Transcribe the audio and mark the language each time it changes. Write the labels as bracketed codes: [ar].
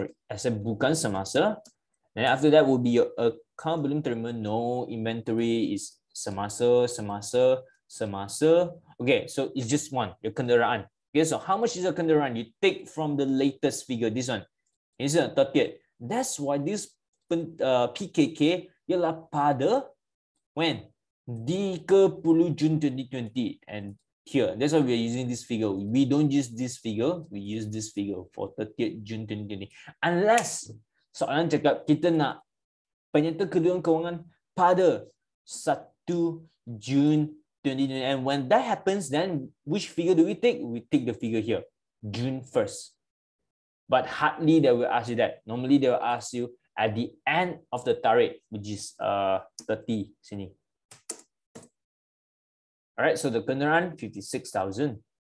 [ms] Asset bukan semasa. [en] Then after that will be your account belum terima. No, inventory is semasa, semasa, semasa. Okay, so it's just one, your kenderaan. Okay, so how much is your kenderaan? You take from the latest figure, this one. It's a 30th. That's why this PKK [ms] ialah pada [en] when? 30 Jun 2020. And here, that's why we are using this figure. We don't use this figure. We use this figure for 30 Jun 2020. [ms] Unless soalan cakap kita nak penyata kedudukan kewangan pada 1 Jun 2020. [en] And when that happens, then which figure do we take? We take the figure here, June 1st. But hardly they will ask you that. Normally they will ask you at the end of the tarik, which is 30 sini. All right, so the kenderaan 56,000.